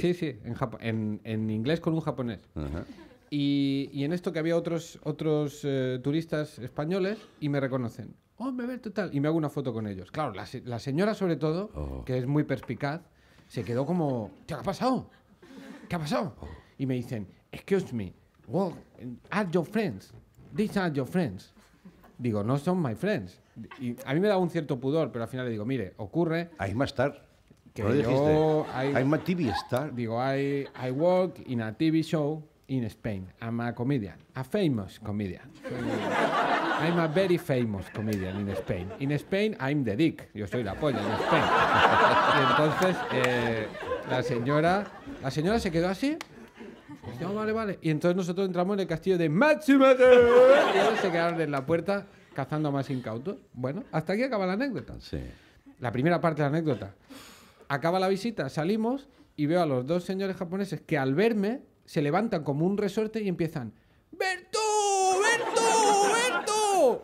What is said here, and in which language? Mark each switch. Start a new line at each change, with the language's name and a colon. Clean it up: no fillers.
Spanish: Sí, sí, en inglés con un japonés. Uh-huh. Y en esto que había otros turistas españoles y me reconocen. Hombre, ver, total. Y me hago una foto con ellos. Claro, la señora sobre todo, que es muy perspicaz, se quedó como, ¿qué ha pasado? ¿Qué ha pasado? Y me dicen,
English: excuse me, well, are your friends? These are your friends.
Spanish: Digo, no son
English: my friends.
Spanish: Y a mí me da un cierto pudor, pero al final le digo, mire, ocurre... Ahí más tarde. ¿Lo dijiste?
English: I'm a TV star.
Spanish: Digo,
English: I work in a TV show in Spain. I'm a comedian. A famous comedian. I'm a very famous comedian in Spain. In Spain, I'm the dick.
Spanish: Yo soy la polla en Spain. Y entonces, la señora se quedó así. Dijo, vale, vale. Y entonces nosotros entramos en el castillo de Machimate. Y ellos se quedaron en la puerta cazando a más incautos. Bueno, hasta aquí acaba la anécdota. Sí. La primera parte de la anécdota. Acaba la visita, salimos y veo a los dos señores japoneses que al verme se levantan como un resorte y empiezan ¡Bertú! ¡Bertú! ¡Bertú!